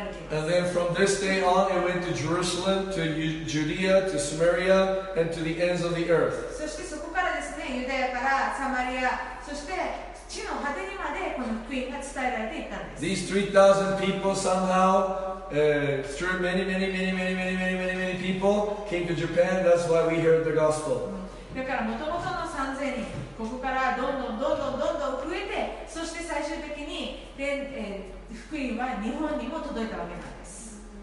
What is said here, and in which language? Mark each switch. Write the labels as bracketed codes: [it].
[en] And then from this day on, it went to Jerusalem, to Judea, to Samaria, and to the ends of the earth. [ja] そしてそこからですね、ユダヤからサマリア、そして地の果てにまでこの福音が伝えられていたんです。 [en] These 3,000 people somehow, through many, many, many, many, many, many, many, many people, came to Japan. That's why we heard the gospel. [ja] だからもともとの 3,000 人、ここからどんどんどんどんどんどん増えて、そして最終的に、福音は日本にも届いたわけなんです。